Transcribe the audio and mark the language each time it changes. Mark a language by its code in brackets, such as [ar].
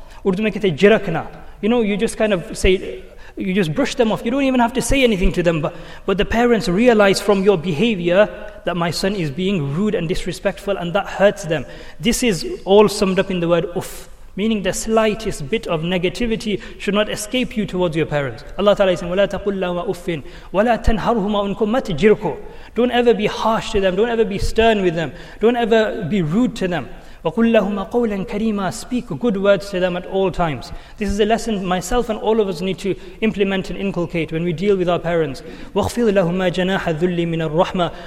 [en] Urdu [ur] mein kehte jirakna. [en] You know, you just kind of say, you just brush them off. You don't even have to say anything to them. But the parents realize from your behavior that my son is being rude and disrespectful, and that hurts them. This is all summed up in the word uff, meaning the slightest bit of negativity should not escape you towards your parents. Allah Ta'ala is saying, [ar] وَلَا تَقُلْ لَهُمَا أُفٍ وَلَا تَنْهَرْهُمَا أُنْكُمْ مَتْجِرْكُ. [en] Don't ever be harsh to them. Don't ever be stern with them. Don't ever be rude to them. [ar] وَقُلْ لَهُمَا قَوْلًا كَرِيمًا. [en] Speak good words to them at all times. This is a lesson myself and all of us need to implement and inculcate when we deal with our parents. [ar] وَخْفِضْ لَهُمَا جَنَاحَ ذُلِّ مِنَ الرَّحْمَةِ.